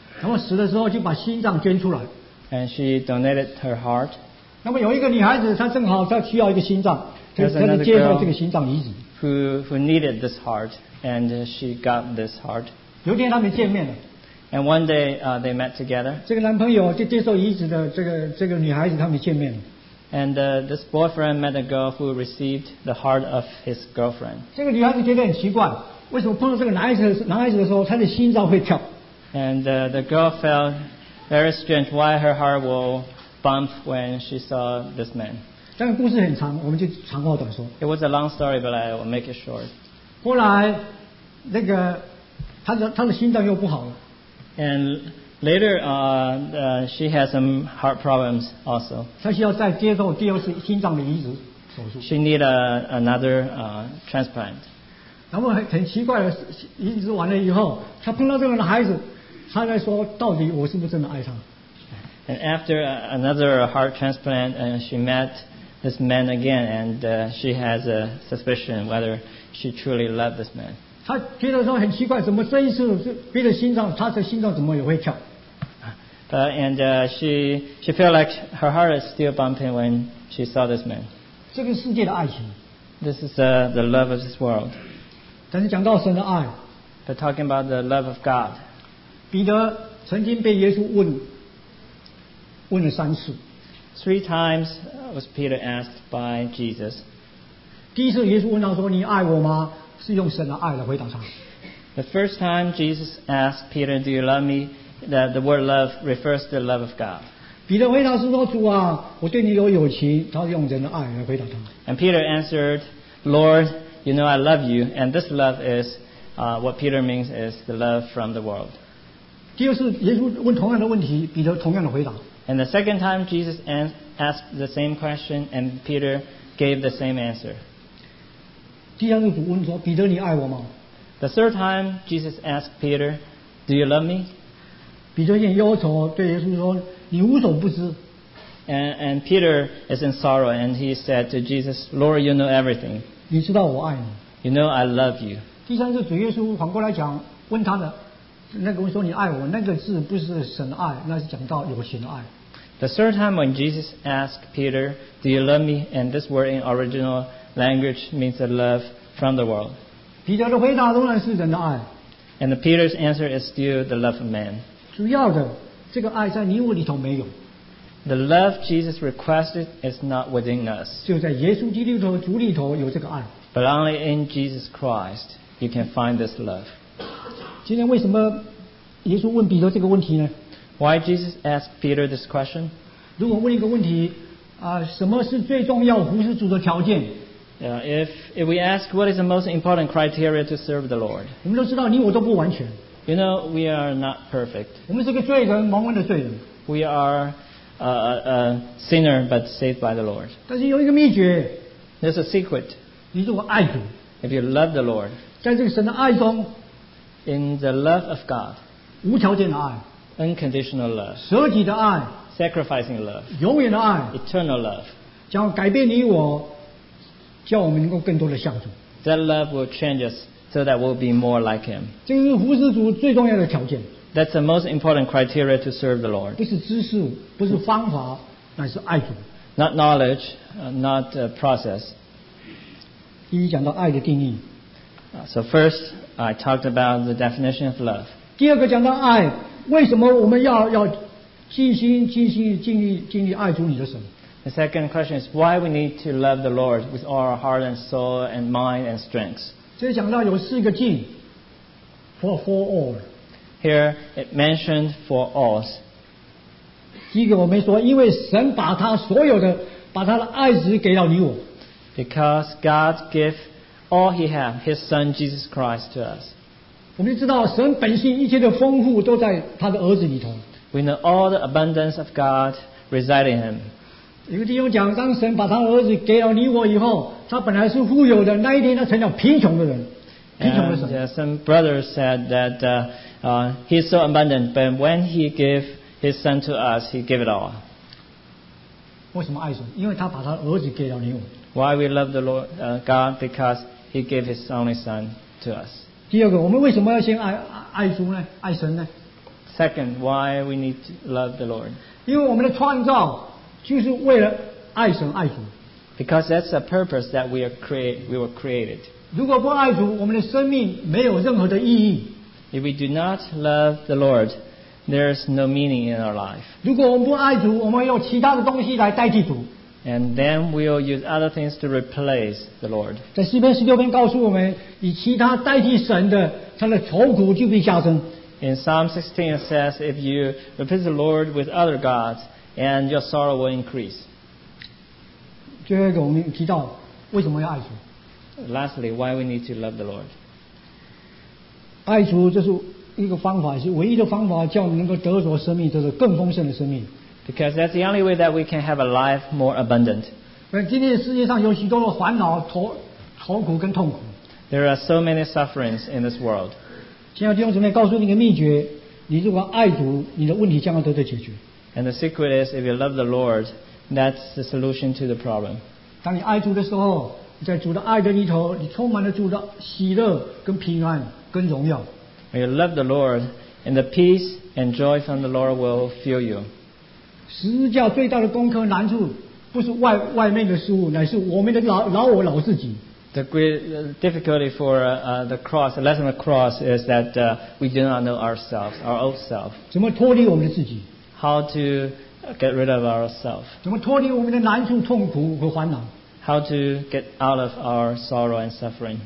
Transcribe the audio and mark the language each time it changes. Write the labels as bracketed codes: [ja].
[zh] 然后死的时候就把心脏捐出来。 [en] And she donated her heart. [zh] 那么有一个女孩子，她正好她需要一个心脏，她就接受这个心脏移植。 [en] Who needed this heart, and she got this heart. [zh] 有一天他们见面了。 [en] And one day, they met together. [zh] 这个男朋友就接受移植的这个女孩子，他们见面了。 [en] And this boyfriend met a girl who received the heart of his girlfriend. [zh] 这个女孩子觉得很奇怪，为什么碰到这个男孩子的时候，她的心脏会跳？ [en] And the girl felt very strange why her heart will bump when she saw this man. [zh] 但故事很长，我们就长话短说。 [en] It was a long story, but I will make it short. [zh] 后来，那个他的心脏又不好了。 [en] And later, she had some heart problems also. [zh] 他需要再接受第二次心脏的移植手术。 [en] She needed another transplant. [zh] 然后很奇怪的，移植完了以后，他碰到这个男孩子。他在说，到底我是不是真的爱他 [en] ？And after another heart transplant, and she met this man again, and she has a suspicion whether she truly loved this man. [zh] 他觉得说很奇怪，怎么这一次别的心脏，他的心脏怎么也会跳 [en] ？And she felt like her heart is still bumping when she saw this man. [zh] 这个世界的爱情。 [en] This is the love of this world. [zh] 但是讲到神的爱。 [en] But talking about the love of God. [zh] 彼得曾经被耶稣问了三次。 [en] Three times was Peter asked by Jesus. [zh] 第一次耶稣问他说：“你爱我吗？” 是用神的爱来回答他。 [en] The first time Jesus asked Peter, "Do you love me?" That the word love refers to the love of God. [zh] 彼得回答是说：“主啊，我对你有友情。” 他用人的爱来回答他。 [en] And Peter answered, "Lord, you know I love you, and this love is what Peter means is the love from the world." [zh] 第二次耶稣问同样的问题，彼得同样的回答。 [en] And the second time Jesus asked the same question, and Peter gave the same answer. [zh] 第三次主问说：“彼得，你爱我吗？” [en] The third time Jesus asked Peter, "Do you love me?" [zh] 彼得很忧愁，对耶稣说：“你无所不知。” [en] And Peter is in sorrow, and he said to Jesus, "Lord, you know everything." [zh] 你知道我爱你。 [en] You know I love you. [zh] 第三次主耶稣反过来讲，问他的。那个说你爱我，那个字不是神的爱，那是讲到友情的爱。 [en] The third time when Jesus asked Peter, "Do you love me?" and this word in original language means the love from the world. [zh] 彼得的回答仍然是人的爱。 [en] And Peter's answer is still the love of man. [zh] 主要的这个爱在你我里头没有。 [en] The love Jesus requested is not within us. [zh] 就在耶稣基督头主里头有这个爱。 [en] But only in Jesus Christ you can find this love. [zh] 今天为什么耶稣问彼得这个问题呢 [en] ？Why Jesus asked Peter this question？ [zh] 如果问一个问题，什么是最重要服侍主的条件 [en] ？If we ask what is the most important criteria to serve the Lord？ [zh] 我们都知道你我都不完全。 [en] You know we are not perfect。 [zh] 我们是个罪人，蒙恩的罪人。 [en] We are a sinner but saved by the Lord。 [zh] 但是有一个秘诀。 [en] There's a secret。 [zh] 你如果爱主。 [en] If you love the Lord, [zh] 在这个神的爱中 [en] ，in the love of God， [zh] 无条件的爱 [en] ，unconditional love， [zh] 舍己的爱 [en] ，sacrificing love， [zh] 永远的爱 [en] ，eternal love， [zh] 将改变你我，叫我们能够更多的像主。 [en] That love will change us so that we'll be more like Him. [zh] 这是服侍主最重要的条件。 [en] That's the most important criteria to serve the Lord. [zh] 不是知识，不是方法，乃是爱主。 [en] Not knowledge, not a process. [zh] 第一讲到爱的定义。 [en] So first, I talked about the definition of love. [zh] 第二个讲到爱，为什么我们要尽心尽心尽力尽力爱主你的神？ [en] The second question is why we need to love the Lord with all our heart and soul and mind and strength. [zh] 这里讲到有四个尽 [en] for all. Here it mentioned for all. [zh] 第一个我们说因为神把他所有的把他的爱子给了你我 [en] Because God gave all he had his son Jesus Christ to us [zh] 我们知道神本性一切的丰富都在他的儿子里头 [en] We know all the abundance of God reside in him [zh] 有弟兄讲当神把他的儿子给了你我以后他本来是富有的那一天他成了贫穷的人贫穷的神 [en] Some brothers said that he's so abundant but when he gave His son to us, He gave it all. [zh] 为什么爱主？因为他把他儿子给了你我。 [en] Why we love the Lord, God? Because He gave His only Son to us. [zh] 第二个，我们为什么要先爱主呢？爱神呢 [en] ？Second, why we need to love the Lord? [zh] 因为我们的创造就是为了爱神爱主。 [en] Because that's the purpose that we were created. [zh] 如果不爱主，我们的生命没有任何的意义。 [en] If we do not love the Lord. There's no meaning in our life. [zh] 如果我们不爱主，我们用其他的东西来代替主。 [en] And then we'll use other things to replace the Lord. [zh] 在诗篇十六篇告诉我们，以其他代替神的，他的愁苦就必加增。 [en] In Psalm 16 it says, if you replace the Lord with other gods, and your sorrow will increase. [zh] 最后一个我们提到，为什么要爱主 [en] ？Lastly, why we need to love the Lord? [zh] 爱主就是。一个方法是唯一的方法，叫我们能够得着生命，得着更丰盛的生命。 [en] Because that's the only way that we can have a life more abundant. [zh] 今天的世界上有许多的烦恼、愁苦跟痛苦。 [en] There are so many sufferings in this world. [zh] 亲爱的弟兄姊妹，告诉你一个秘诀：你如果爱主，你的问题将要得到解决。 [en] And the secret is, if you love the Lord, that's the solution to the problem. [zh] 当你爱主的时候，在主的爱的里头，你充满了主的喜乐、跟平安、跟荣耀。 [en] When you love the Lord, and the peace and joy from the Lord will fill you. [zh] 十字架最大的功课难处不是 外面的事物，乃是我们的老我老自己。 [en] The great difficulty for the cross, the lesson of the cross, is that we do not know ourselves, our old self. [zh] 怎么脱离我们的自己？ [en] How to get rid of ourselves? [zh] 怎么脱离我们的难处、痛苦和烦恼？ [en] How to get out of our sorrow and suffering?